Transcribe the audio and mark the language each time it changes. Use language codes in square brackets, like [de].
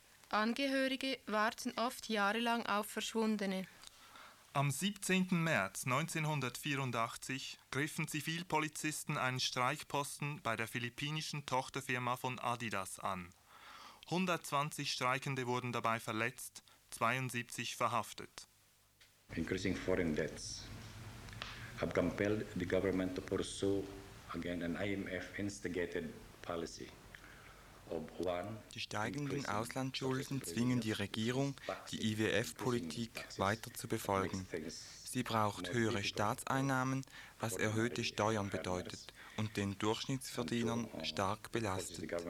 [de] Angehörige warten oft jahrelang auf Verschwundene. Am 17. März 1984 griffen Zivilpolizisten einen Streikposten bei der philippinischen Tochterfirma von Adidas an. 120 Streikende wurden dabei verletzt, 72 verhaftet. [en] Increasing foreign debts have compelled the government to pursue again an IMF-instigated policy. [de] Die steigenden Auslandsschulden zwingen die Regierung, die IWF-Politik weiter zu befolgen. Sie braucht höhere Staatseinnahmen, was erhöhte Steuern bedeutet und den Durchschnittsverdienern stark belastet.